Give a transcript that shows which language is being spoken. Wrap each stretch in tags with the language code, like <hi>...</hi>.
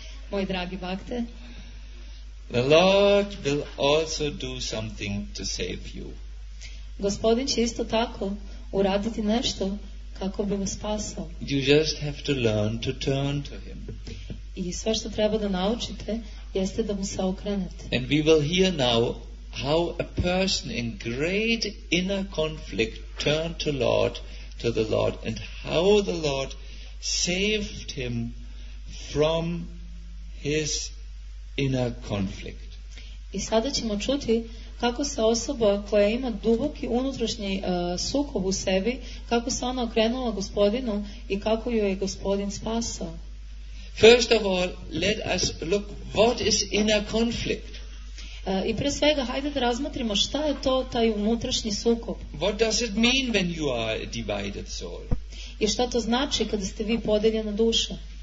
<sr>Moji dragi bhakte.</sr> <en>The Lord will also do something to save you.</en> <sr>Gospodin će isto tako uraditi nešto kako bi vas spasao.</sr> <en>You just have to learn to turn to him.</en> <sr>I sve što treba da naučite jeste da mu se okrenete.</sr> <en>And we will hear now how a person in great inner conflict turned to the Lord and how the Lord saved him from his inner conflict.</en> <sr>I sada ćemo čuti kako se osoba koja ima duboki unutrašnji sukob u sebi, kako se ona okrenula gospodinu i kako ju je gospodin spasao.</sr> <en>First of all, let us look what is inner conflict.</en> <sr>I pre svega, hajde da razmotrimo šta je to taj unutrašnji sukob.</sr> <en>What does it mean when you are a divided soul?</en> <sr>I šta to znači kada ste vi podeljena duša?</sr>